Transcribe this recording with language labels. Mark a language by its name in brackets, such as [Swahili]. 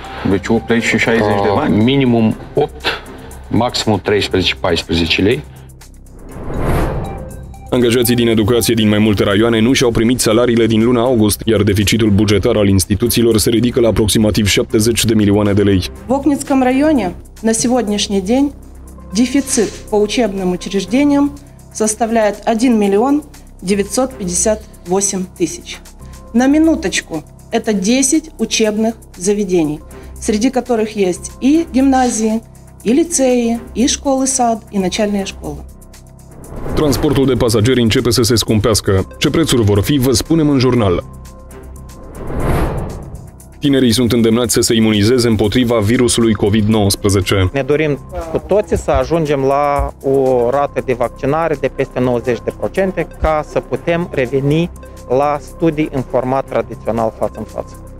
[Romanian] Deci 8 lei și 60 de bani. Minimum 8, maximum 13-14 lei. Angajații din educație din mai multe raioane nu și-au primit salariile din luna august, iar deficitul bugetar al instituțiilor se ridică la aproximativ 70 de milioane de lei. [Russian] В Окницком районе на сегодняшний день дефицит по учебным учреждениям составляет 1 958 тысяч. На минуточку, это 10 учебных заведений, среди которых есть и гимназии, и лицеи, и школы-сад, и начальные школы. [Romanian] Transportul de pasageri începe să se scumpească. Ce prețuri vor fi, vă spunem în jurnal. Tinerii sunt îndemnați să se imunizeze împotriva virusului COVID-19. Ne dorim cu toții să ajungem la o rată de vaccinare de peste 90% ca să putem reveni la studii în format tradițional față în față.